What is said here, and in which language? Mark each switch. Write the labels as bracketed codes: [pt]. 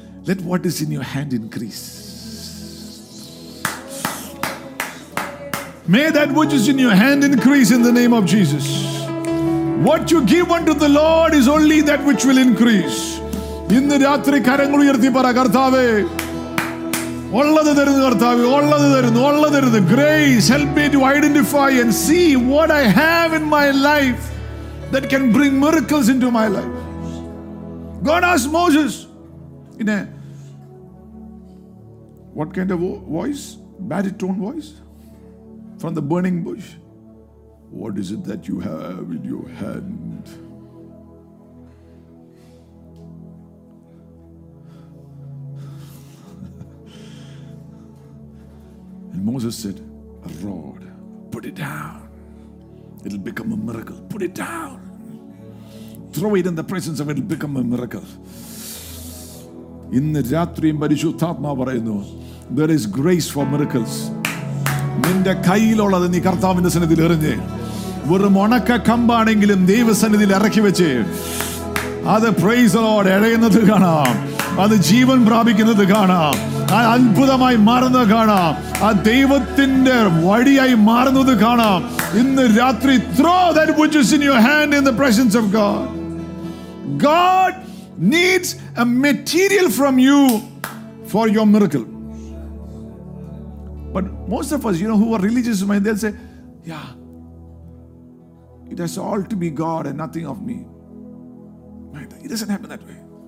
[en] Let what is in your hand increase. May that which is in your hand increase in the name of Jesus. What you give unto the Lord is only that which will increase. [ml] ഇന്ന് രാത്രി കരങ്ങൾ ഉയർത്തി പറ കർത്താവേ, ഉള്ളത് തരുന്നു കർത്താവേ, ഉള്ളത് തരുന്നു, ഉള്ളത് തരുന്നു. [en] Grace help me to identify and see what I have in my life that can bring miracles into my life. God ask Moses in a what kind of voice, baritone voice from the burning bush. What is it that you have in your hand? And Moses said, a rod. Put it down. It'll become a miracle. Put it down. Throw it in the presence of it, it'll become a miracle. [ml] ഇന്ന് രാത്രിയും പരിശുദ്ധാത്മാവ് പറയുന്നു, [en] there is grace for miracles. [ml] നിന്റെ കയ്യിലുള്ളത് നീ കർത്താവിന്റെ സന്നിധിയിൽ എറിഞ്ഞേ. വെറും ഉണക്ക കമ്പാണെങ്കിലും ദൈവസന്നിധിയിൽ ഇറക്കി വെച്ചേ. അത് [en] praise Lord [ml] എഴയുന്നത് കാണാം, അത് ജീവൻ പ്രാപിക്കുന്നത് കാണാം, അത് അത്ഭുതമായി മാറുന്നത് കാണാം, ആ ദൈവത്തിന്റെ വഴിയായി മാറുന്നത് കാണാം. ഇന്ന് രാത്രി [en] Throw that which is in your hand in the presence of God. God needs a material from you for your miracle. But most of us, you know, who are religious, they'll say, yeah, it has all to be God and nothing of me. It doesn't happen that way.